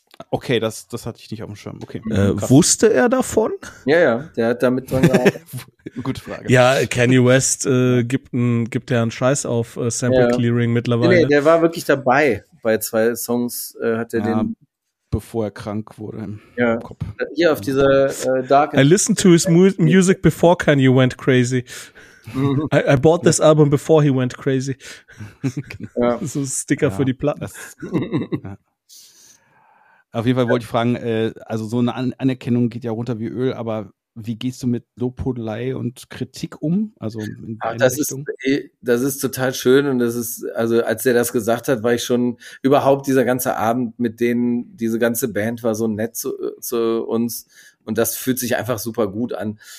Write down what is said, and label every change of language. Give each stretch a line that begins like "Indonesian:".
German: Okay, das hatte ich nicht auf dem Schirm. Okay. Wusste er davon? Ja, ja, der hat damit dran gearbeitet. Gute Frage. Ja, Kanye West gibt ja einen Scheiß auf Sample Clearing mittlerweile. Nee, der war wirklich dabei. bei zwei Songs hat er den. Bevor er krank wurde. Ja. Hier auf dieser Dark.
English: I listened to his music before Kanye went crazy. I bought this album before he went crazy.
German: Ja. So ein Sticker für die Platten. Auf jeden Fall wollte ich fragen, also so eine Anerkennung geht ja runter wie Öl, aber wie gehst du mit Lobhudelei und Kritik um? Also das ist total schön und das ist, also als der das gesagt hat, war ich schon überhaupt dieser ganze Abend mit denen, diese ganze Band war so nett zu uns und das fühlt sich einfach super gut an.